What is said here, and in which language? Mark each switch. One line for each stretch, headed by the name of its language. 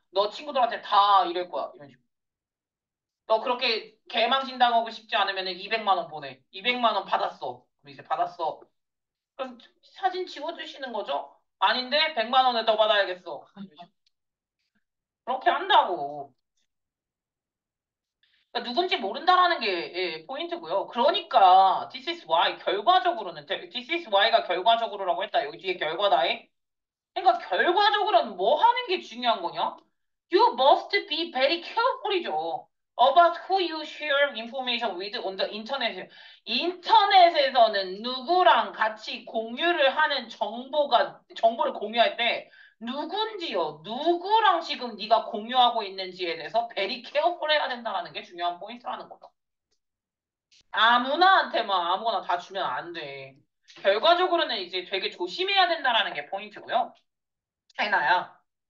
Korean: 너 친구들한테 다 이럴 거야 이런 식으로. 너 그렇게 개망신당하고 싶지 않으면은 200만 원 보내. 200만 원 받았어. 그럼 이제 받았어. 그럼 사진 지워주시는 거죠? 아닌데 100만 원을 더 받아야겠어. 그렇게 한다고. 누군지 모른다라는 게 포인트고요. 그러니까
English: this is why
Korean: 결과적으로는 this is why가 결과적으로라고 했다. 여기 뒤에 결과다에. 그러니까 결과적으로는 뭐 하는 게 중요한 거냐?
English: You must be very careful이죠. About who you share information with on the internet.
Korean: 인터넷에서는 누구랑 같이 공유를 하는 정보를 공유할 때 누군지요, 누구랑 지금 네가 공유하고 있는지에 대해서
English: very careful
Korean: 해야 된다는 게 중요한 포인트라는 거죠. 아무나한테 막 아무거나 다 주면 안 돼. 결과적으로는 이제 되게 조심해야 된다는 게 포인트고요. 해나야.